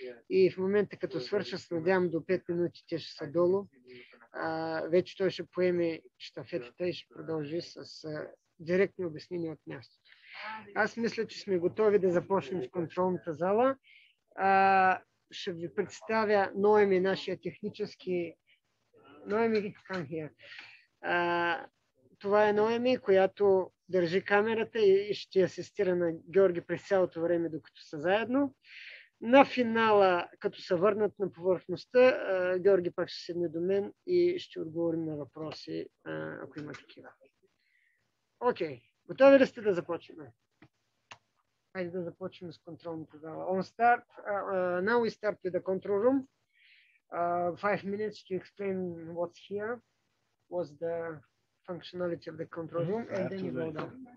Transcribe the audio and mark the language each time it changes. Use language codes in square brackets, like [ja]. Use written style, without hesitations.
[bg] И в момента, като свърша, надявам до 5 минути, те ще са долу. Вече той ще поеме щафетата и ще продължи с директни обяснения от място. Аз мисля, че сме готови да започнем с контролната зала. Ще ви представя Ноеми, нашия технически... [en] Ноеми, come here. [bg] Това е Ноеми, която държи камерата и ще асистира на Георги през цялото време, докато са заедно. На финала, като се върнат на повърхността, Георги пак ще седне до мен и ще отговорим на въпроси, ако има такива. Окей, готови ли сте да започнем? Хайде да започнем с контролната зала. [en] On start, now we start with the control room. 5 minutes to explain what's here, what's the functionality of the control room, and then you go down.